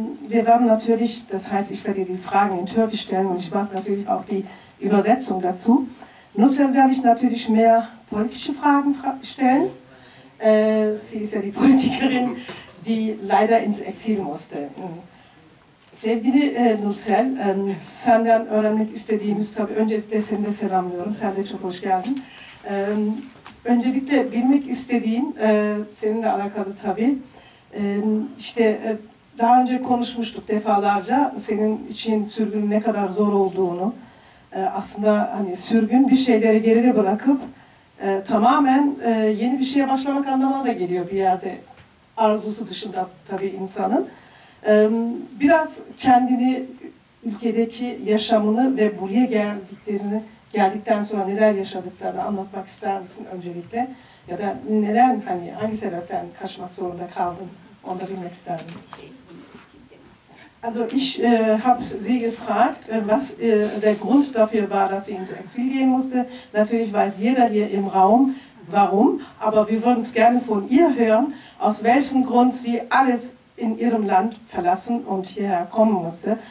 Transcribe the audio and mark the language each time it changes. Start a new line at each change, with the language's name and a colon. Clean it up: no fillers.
German: Wir werden natürlich, das heißt, ich werde die Fragen in Türkisch stellen und ich mache natürlich auch die Übersetzung dazu. Nurzel werde ich natürlich mehr politische Fragen stellen. Sie ist ja die Politikerin, die leider ins Exil musste.
Turkish: Sevgili Nurzel, senden öğrenmek istediğimiz tabii önce de seni de selamlıyorum. Sen de çok hoş geldin. Öncelikle bilmek istediğim seninle alakalı tabii işte daha önce konuşmuştuk defalarca senin için sürgünün ne kadar zor olduğunu aslında hani sürgün bir şeyleri geride bırakıp tamamen yeni bir şeye başlamak anlamına da geliyor bir yerde arzusu dışında tabii insanın biraz kendini ülkedeki yaşamını ve buraya geldiklerini geldikten sonra neler yaşadıklarını anlatmak ister misin öncelikle? Ya da neden, hani hangi sebepten kaçmak zorunda kaldın? Onu da bilmek isterdim.
German: Also ich habe Sie gefragt, was der Grund dafür war, dass Sie ins Exil gehen musste. Natürlich weiß jeder hier im Raum, warum. Aber wir würden es gerne von ihr hören, aus welchem Grund Sie alles in Ihrem Land verlassen und hierher kommen musste.